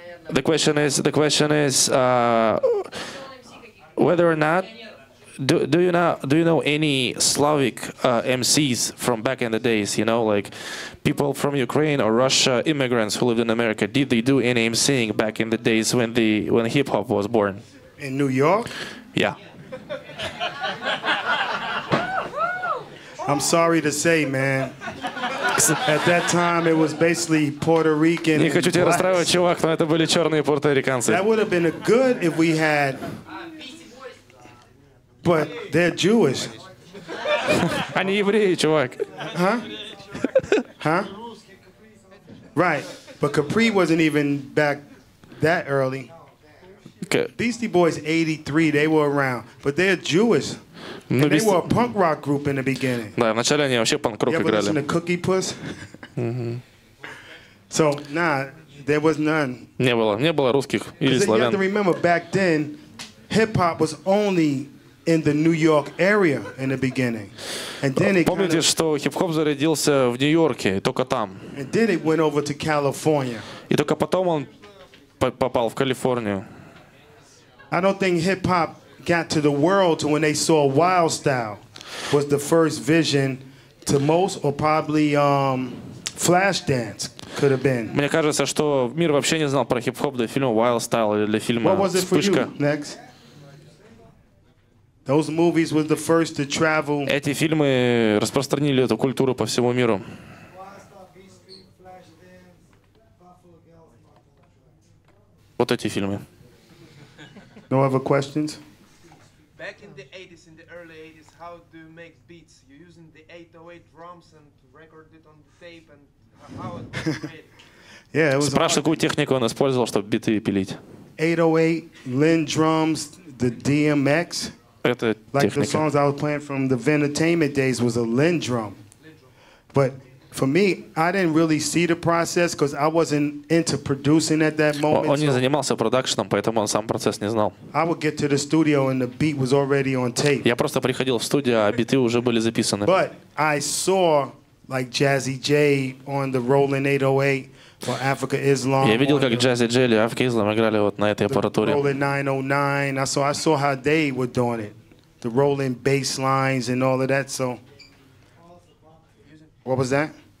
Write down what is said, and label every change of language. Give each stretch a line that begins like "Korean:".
English: The question is whether or not do you know any Slavic MCs from back in the days, you know, like people from Ukraine or Russia, immigrants who lived in America, did they do any MCing back in the days when hip hop was born? In New York? Yeah. I'm sorry to say, man. At that time, it was basically Puerto Rican.
Russian: Не хочу тебя расстраивать, чувак, но это были черные пуэрториканцы.
English: That would have been a good if we had, but they're Jewish.
Russian: Они евреи, чувак.
English: Huh? Right. But Capri wasn't even back that early. Beastie Boys 83, they were around, but they're Jewish. And they were a punk rock group in the beginning.
Russian: Да, вначале они вообще панк-рок играли.
English: You ever listen to Cookie Puss? So, nah, there was none.
Russian: Не было русских или славян.
English: You have to remember, back then, hip-hop was only in the New York area in the beginning. And then it
Russian: помните, что хип-хоп зародился в Нью-Йорке, только там.
English: And then it went over to California.
Russian: И только потом он попал в Калифорнию.
English: I don't think hip-hop got to the world to when they saw Wild Style was the first vision to most, or probably Flashdance could have been.
Russian: Мне кажется, что мир вообще не знал про хип-хоп до фильма Wild Style или для фильма Вспышка.
English: What was it for you, next? Those movies were the first to travel.
Russian: Эти фильмы распространили эту культуру по всему миру. Вот эти фильмы.
English: No other questions? Back in the 80s, in the early 80s, how do you make beats? You're using the 808 drums and record it on the tape and how it was made? Yeah, it was
Russian: спрашивай, какую технику он использовал, чтобы биты пилить.
English: 808, Lin drums, the DMX.
Russian: Это
English: like
Russian: техника.
English: The songs I was playing from the Ventertainment days was a Lin drum. But for me, I didn't really see the process because I wasn't into producing at that moment.
Russian: Он не занимался продакшеном, поэтому он сам процесс не знал.
English: I would get to the studio and the beat was already on tape.
Russian: Я просто приходил в студию, а биты уже были записаны.
English: But I saw like Jazzy Jay on the Roland 808 for Africa Islam.
Russian: Я видел, как Jazzy Jay или Africa Islam играли вот на этой аппаратуре.
English: Roland 909. I saw how they were doing it. The Roland bass lines and all of that, so what was that?